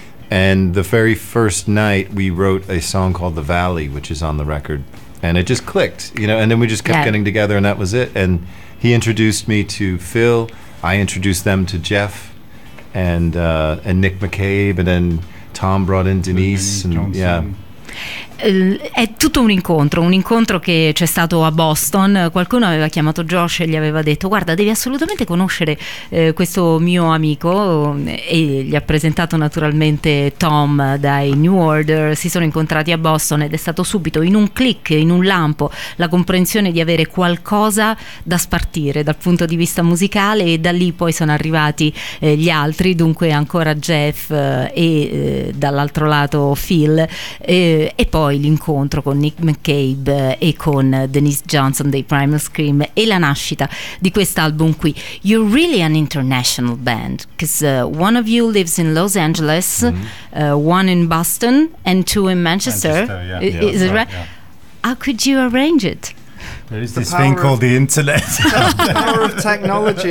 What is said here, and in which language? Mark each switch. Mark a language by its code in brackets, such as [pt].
[en] And the very first night, we wrote a song called The Valley, which is on the record. And it just clicked, you know, and then we just kept getting together, and that was it. And he introduced me to Phil. I introduced them to Jeff and Nick McCabe. And then Tom brought in Denise. And Johnson. Yeah. [it] È tutto un incontro che c'è stato a Boston. Qualcuno aveva chiamato Josh e gli aveva detto: guarda, devi assolutamente conoscere questo mio amico, e gli ha presentato naturalmente Tom dai New Order. Si sono incontrati a Boston ed è stato subito, in un click, in un lampo, la comprensione di avere qualcosa da spartire dal punto di vista musicale. E da lì poi sono arrivati gli altri, dunque ancora Jeff e dall'altro lato Phil, e poi l'incontro con Nick McCabe e con Denise Johnson dei Primal Scream e la nascita di quest'album qui. [en] You're really an international band, because one of you lives in Los Angeles, one in Boston, and two in Manchester. Yeah. Is it right? Yeah. How could you arrange it? There is this thing called the internet. The power of technology.